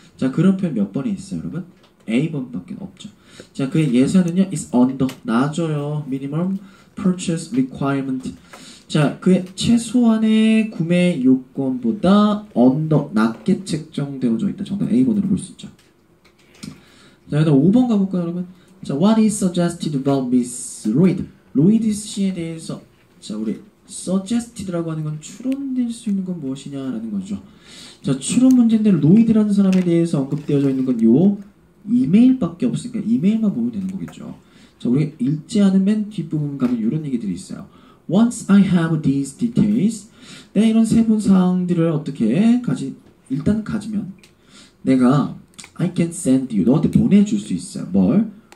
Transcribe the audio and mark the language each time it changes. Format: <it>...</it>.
<ko>자, 그런 표현 몇 번이 있어요 여러분? A번밖에 없죠. 자, 그의 예산은요</ko> <en>is under,</en> <ko>낮아요.</ko> <en>minimum purchase requirement.</en> <ko>자, 그의 최소한의 구매 요건보다 언더, 낮게 책정되어져 있다. 정답 A번으로 볼 수 있죠. 자, 그다음 5번 가볼까요, 여러분?</ko> <en>자, what is suggested about Miss Lloyd?</en> <ko>Lloyd 씨에 대해서, 자, 우리 suggested라고 하는 건 추론될 수 있는 건 무엇이냐라는 거죠. 자, 추론 문제인데 Lloyd라는 사람에 대해서 언급되어져 있는 건 요 이메일밖에 없으니까 이메일만 보면 되는 거겠죠. 자, 우리 읽지 않은 맨 뒷부분 가면 이런 얘기들이 있어요.</ko> <en>Once I have these details,</en> <ko>내가 이런 세부 사항들을 어떻게 가지, 일단 가지면 내가</ko> <en>I can send you,</en> <ko>너한테 보내줄 수 있어요. 뭘?</ko>